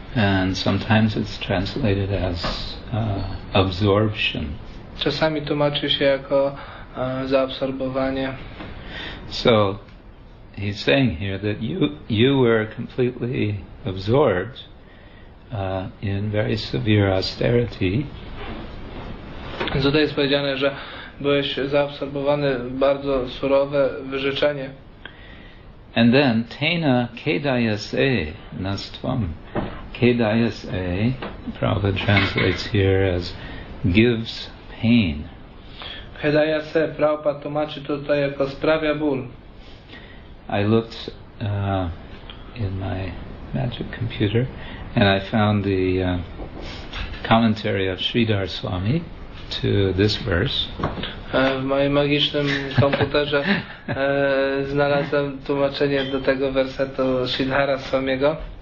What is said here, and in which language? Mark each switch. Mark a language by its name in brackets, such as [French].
[English] And sometimes it's translated as absorption. [Polish] Czasami tłumaczy się jako zaabsorbowanie. [English] So he's saying here that you were completely absorbed in very severe austerity. [Polish] Tutaj jest powiedziane, że byłeś zaabsorbowany w bardzo surowe wyrzeczenie. [English] And then [Sanskrit] tena kedayase nastvam. [English] Kedayase, Prabhupada translates here as gives pain. [Polish] Kedaya se, Prabhupada tłumaczy tutaj jako sprawia ból. [English] I looked in my magic computer and I found the commentary of Sridhar Swami to this verse. [Polish] W moim magicznym komputerze znalazłem tłumaczenie do tego wersetu Sridhara Swamiego.